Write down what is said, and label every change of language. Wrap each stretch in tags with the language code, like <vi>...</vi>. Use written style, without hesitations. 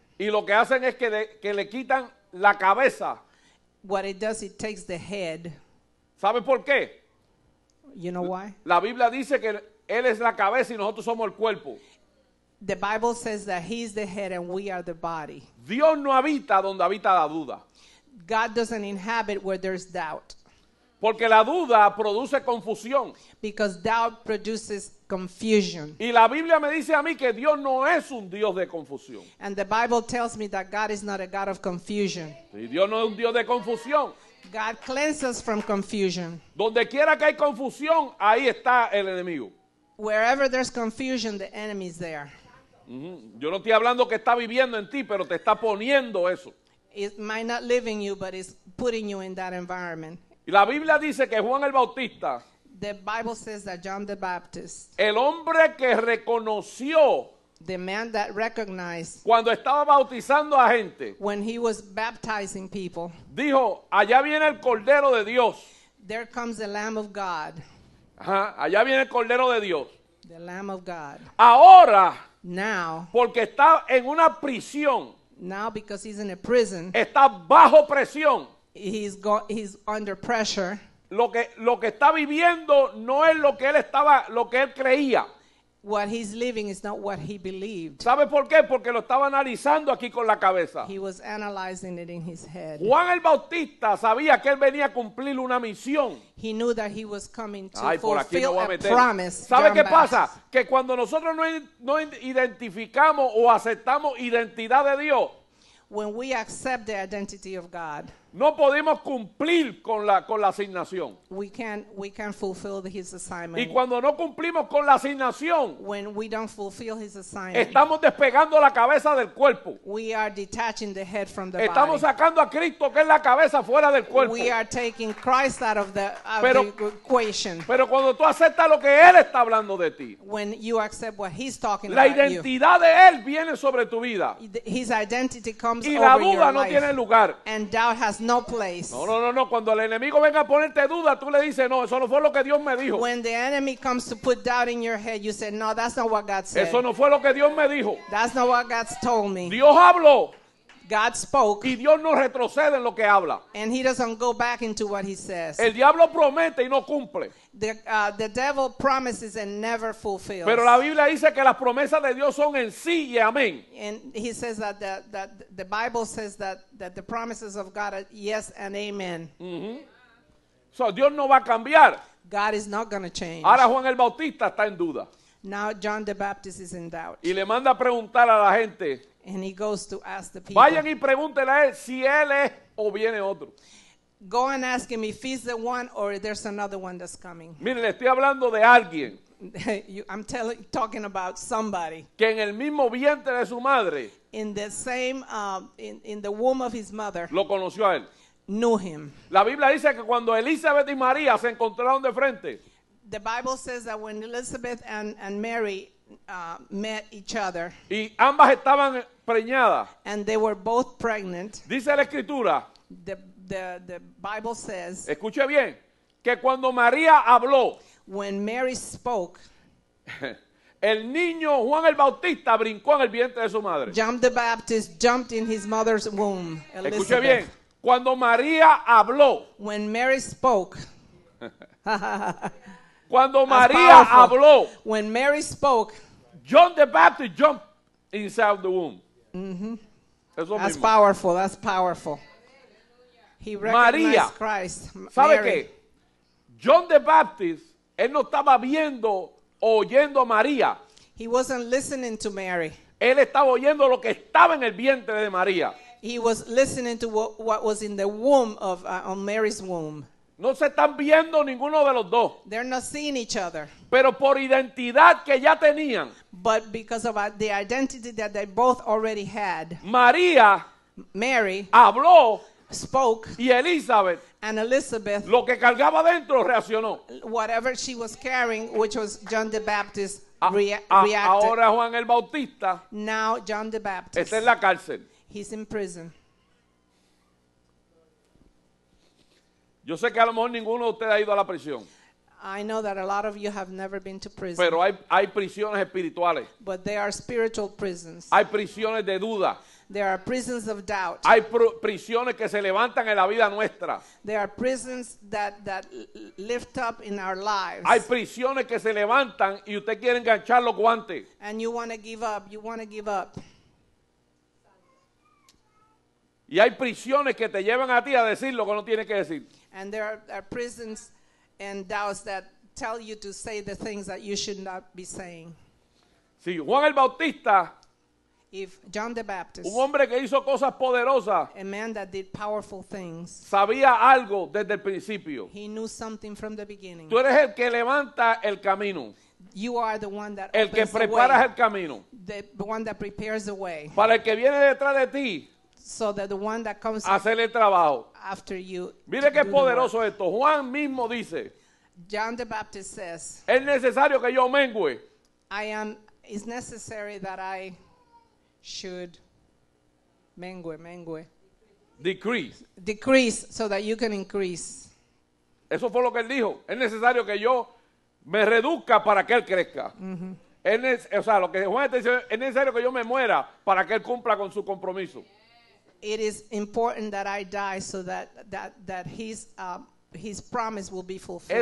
<es>Y lo que hacen es que le quitan la cabeza.</es> <en>What it does, it takes the head.</en> <es>¿Sabe por qué?</es> <en>You know why?</en> <es>La Biblia dice que él es la cabeza y nosotros somos el cuerpo.</es> <en>The Bible says that he is the head and we are the body.</en> <es>Dios no habita donde habita la duda.</es> <en>God doesn't inhabit where there's doubt.</en> <es>Porque la duda produce confusión.</es> <en>Because doubt produces confusion.</en> <es>Y la Biblia me dice a mí que Dios no es un Dios de confusión.</es> <en>And the Bible tells me that God is not a God of confusion.</en> <es>Y Dios no es un Dios de confusión.</es> <en>God cleanses from confusion.</en> <es>Donde quiera que hay confusión, ahí está el enemigo.</es> <en>Wherever there's confusion, the enemy is there. Mm-hmm.</en> <es>Yo no estoy hablando que está viviendo en ti, pero te está poniendo eso.</es> <en>It might not live in you, but it's putting you in that environment.</en> <es>Y la Biblia dice que Juan el Bautista,</es> <en>the Bible says that John the Baptist,</en> <es>el hombre que reconoció,</es> <en>the man that recognized,</en> <es>cuando estaba bautizando a gente,</es> <en>when he was baptizing people,</en> <es>dijo, allá viene el Cordero de Dios.</es> <en>There comes the Lamb of God.</en> <es>Ajá, allá viene el Cordero de Dios.</es> <en>The Lamb of God.</en> <es>Ahora,</es> <en>now,</en> <es>porque está en una prisión,</es> <en>now because he's in a prison,</en> <es>está bajo presión.</es> <en>He's under pressure.</en> <es>Lo que está viviendo no es lo que él creía.</es> <en>What he's living is not what he believed.</en> <es>¿Sabe por qué? Porque lo estaba analizando aquí con la cabeza.</es> <en>He was analyzing it in his head.</en> <es>Juan el Bautista sabía que él venía a cumplir una misión.</es> <en>He knew that he was coming to ay, fulfill</en> <es>por aquí me voy a meter.</es> <en>A promise.</en> <es>¿Sabe qué pasa? Que cuando nosotros no identificamos o aceptamos identidad de Dios,</es> <en>when we accept the identity of God,</en> <es>no podemos cumplir con la asignación.</es> <en>We can fulfill his assignment.</en> <es>Y cuando no cumplimos con la asignación,</es> <en>when we don't fulfill his assignment,</en> <es>estamos despegando la cabeza del cuerpo.</es> <en>We are detaching the head from the</en> <es>estamos</es> <en>body.</en> <es>Estamos sacando a Cristo, que es la cabeza, fuera del cuerpo.</es> <en>We are taking Christ out of the equation.</en> <es>Pero cuando tú aceptas lo que él está hablando de ti,</es> <en>when you accept what he's talking</en> <es>la</es> <en>about,</en> <es>la identidad</es> <en>you,</en> <es>de él viene sobre tu vida.</es> <en>His identity comes</en> <es>y la</es> <en>over</en> <es>duda</es> <en>your</en> <es>no</es> <en>life,</en> <es>tiene lugar.</es> <en>And doubt has no place.</en> <es>No. Cuando el enemigo venga a ponerte duda, tú le dices, no, eso no fue lo que Dios me dijo.</es> <en>When the enemy comes to put doubt in your head, you say, no, that's not what God said.</en> <es>Eso no fue lo que Dios me dijo.</es> <en>That's not what God told me.</en> <es>Dios habló.</es> <en>God spoke.</en> <es>Y Dios no retrocede en lo que habla.</es> <en>And he doesn't go back into what he says.</en> <es>El diablo promete y no cumple.</es> <en>The devil promises and never fulfills.</en> <es>Pero la Biblia dice que las promesas de Dios son en sí y amén.</es> <en>And he says that the Bible says that the promises of God are yes and amen.</en> <es>Mm-hmm. So Dios no va a cambiar.</es> <en>God is not going to change.</en> <es>Ahora Juan el Bautista está en duda.</es> <en>Now John the Baptist is in doubt.</en> <es>Y le manda a preguntar a la gente.</es> <en>And he goes to ask the people.</en> <es>Vayan y pregúntele a él si él es o viene otro.</es> <en>Go and ask him if he's the one or if there's another one that's coming.</en> <es>Mire, le estoy hablando de alguien.</es> <en>I'm talking about somebody.</en> <es>Que en el mismo vientre de su madre.</es> <en>In the same, in the womb of his mother.</en> <es>Lo conoció a él.</es> <en>Knew him.</en> <es>La Biblia dice que cuando Elizabeth y María se encontraron de frente.</es> <en>The Bible says that when Elizabeth and Mary met each other.</en> <es>Y ambas estaban preñadas.</es> <en>And they were both pregnant.</en> <es>Dice la escritura.</es> <en>The Bible says.</en> <es>Escuche bien. Que cuando María habló.</es> <en>When Mary spoke.</en> <es>El niño Juan el Bautista brincó en el vientre de su madre.</es> <en>John the Baptist jumped in his mother's womb.</en> <es>Elizabeth. Escuche bien. Cuando María habló.</es> <en>When Mary spoke.</en> <es>Cuando María habló.</es> <en>When Mary spoke. John the Baptist jumped inside the womb. Mm-hmm. That's powerful. That's powerful. He recognized</en> <es>María,</es> <en>Christ.</en> <es>¿Sabe</es> <en>Mary.</en> <es>Qué? John the Baptist, él no estaba viendo oyendo a María.</es> <en>He wasn't listening to Mary.</en> <es>Él estaba oyendo lo que estaba en el vientre de María.</es> <en>He was listening to what was in the womb of on Mary's womb.</en> <es>No se están viendo ninguno de los dos.</es> <en>They're not seeing each other.</en> <es>Pero por identidad que ya tenían.</es> <en>But because of the identity that they both already had.</en> <es>María.</es> <en>Mary.</en> <es>Habló.</es> <en>Spoke.</en> <es>Y Elizabeth.</es> <en>And Elizabeth.</en> <es>Lo que cargaba dentro reaccionó.</es> <en>Whatever she was carrying, which was John the Baptist, reacted.</en> <es>Ahora Juan el Bautista.</es> <en>Now John the Baptist.</en> <es>Está en la cárcel.</es> <en>He's in prison.</en> <es>Yo sé que a lo mejor ninguno de ustedes ha ido a la prisión.</es> <en>I know that a lot of you have never been to prison.</en> <es>Pero hay prisiones espirituales.</es> <en>But they are spiritual prisons.</en> <es>Hay prisiones de duda.</es> <en>There are prisons of doubt.</en> <es>Hay prisiones que se levantan en la vida nuestra.</es> <en>There are prisons that lift up in our lives.</en> <es>Hay prisiones que se levantan y usted quiere enganchar los guantes.</es> <en>And you want to give up. You want to give up.</en> <es>Y hay prisiones que te llevan a ti a decir lo que no tienes que decir.</es> <en>And there are prisons and doubts that tell you to say the things that you should not be saying.</en> <es>Si Juan el Bautista,</es> <en>if John the Baptist,</en> <es>un hombre que hizo cosas poderosas,</es> <en>a man that did powerful things,</en> <es>sabía algo desde el principio.</es> <en>He knew something from the beginning.</en> <es>Tú eres el que levanta el camino.</es> <en>You are the one that</en> <es>el que preparas</es> <en>the way,</en> <es>el camino.</es> <en>The one that prepares the way.</en> <es>Para el que viene detrás de ti.</es> <en>So that the one that comes</en> <es>hacerle trabajo.</es> <en>After you.</en> <es>Mire qué poderoso esto. Juan mismo dice.</es> <en>John the Baptist says.</en> <es>Es necesario que yo mengue.</es> <en>I am. It's necessary that I should mengue. Decrease so that you can increase.</en> <es>Eso fue lo que él dijo. Es necesario que yo me reduzca para que él crezca. Mm-hmm. Lo que Juan está diciendo es necesario que yo me muera para que él cumpla con su compromiso.</es> <en>It is important that I die so that his promise will be fulfilled.</en>